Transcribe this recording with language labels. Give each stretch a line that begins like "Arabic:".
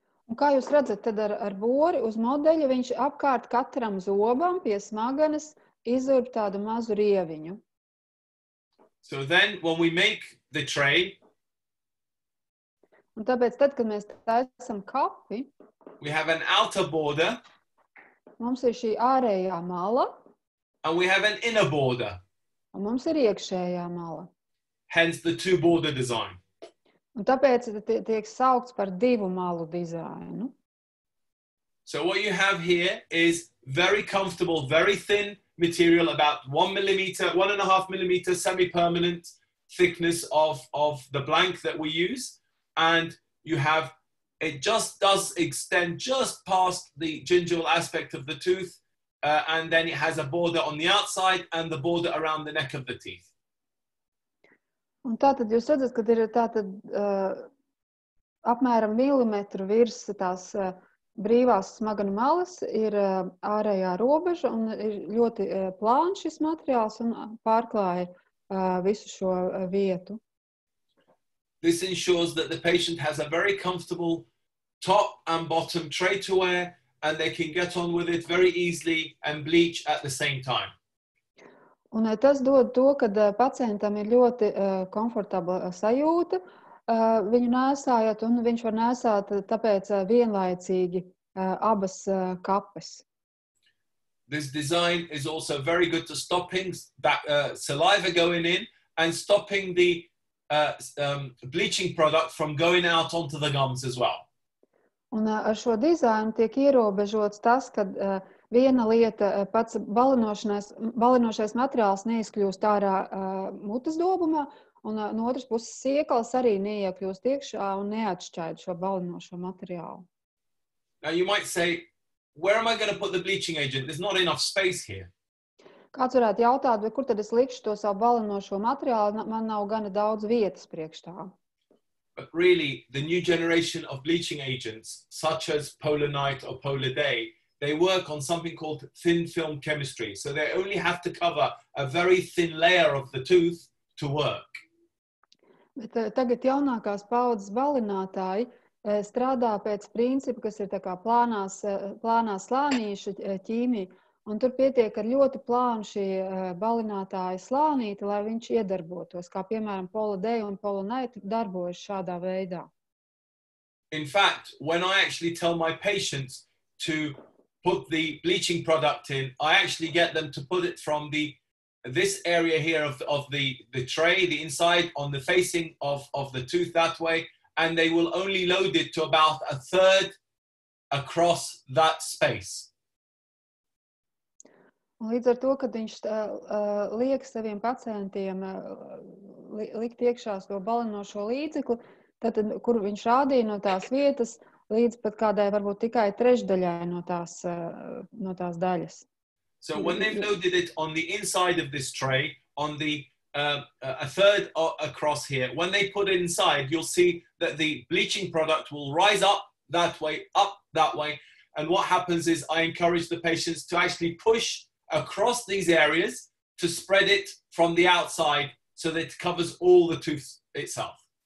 Latvian: Un kā jūs redzat, tad ar bori uz modeļa viņš apkārt katram zobam pie smaganas izurb tādu mazu rieviņu.
English: So then when we make the tray.
Latvian: Un tāpēc tad, kad mēs taisam kapi,
English: we have an outer border.
Latvian: Mums ir šī ārējā mala.
English: And we have an inner border.
Latvian: Un mums ir iekšējā mala.
English: Hence the two border design.
Latvian: Un tāpēc tiek saukts par divu malu dizainu.
English: So what you have here is very comfortable, very thin material, about 1 millimeter, 1.5 millimeter semi-permanent thickness of the blank that we use. And you have, it just does extend just past the gingival aspect of the tooth, and then it has a border on the outside and the border around the neck of the teeth.
Latvian: Un tātad jūs redzat, ka ir tātad apmēram milimetru virs tās brīvās smaganu malas ir ārējā robeža un ir ļoti plāns šis materiāls un pārklāja visu šo vietu.
English: This ensures that the patient has a very comfortable top and bottom tray to wear and they can get on with it very easily and bleach at the same time.
Latvian: Un tas dod to, kad pacientam ir ļoti komfortabla sajūta, viņu nēsājot, un viņš var nēsāt tāpēc vienlaicīgi abas kapes.
English: This design is also very good to stopping that saliva going in and stopping the bleaching product from going out onto the gums as well.
Latvian: Un ar šo dizainu tiek ierobežots tas, kad viena lieta, pats balinošais materiāls neizkļūst ārā mutas dobumā, un no otras puses sieklas arī neiekļūst iekšā un neatšķaid šo balinošo materiālu.
English: Now you might say, where am I going to put the bleaching agent? There's not enough space here.
Latvian: Kāds varētu jautāt, kur tad es likšu to savu balinošo materiālu, man nav gana daudz vietas priekštā.
English: But really, the new generation of bleaching agents, such as Pola Night or Pola Day, they work on something called thin film chemistry. So they only have to cover a very thin layer of the tooth to work.
Latvian: Bet tagad jaunākās paudzes balinātāji strādā pēc principa, kas ir tā kā plānā slānīša ķīmija. Un tur pietiek ar ļoti plānu šī balinātāja slānīti, lai viņš iedarbotos, kā piemēram Pola Day un Pola Night darbojas šādā veidā.
English: In fact, when I actually tell my patients to put the bleaching product in, I actually get them to put it from this area here of the tray, the inside, on the facing of the tooth that way, and they will only load it to about a third across that space.
Latvian: Un līdz ar to, kad viņš liek saviem pacientiem likt iekšās to balinošo līdzeklu, tad, kur viņš rādīja no tās vietas, līdz pat kādai varbūt tikai trešdaļai no tās daļas.
English: So when they've loaded it on the inside of this tray, on the a third across here, when they put it inside, you'll see that the bleaching product will rise up that way. And what happens is I encourage the patients to actually push across these areas to spread it from the outside so that it covers all the tooth itself.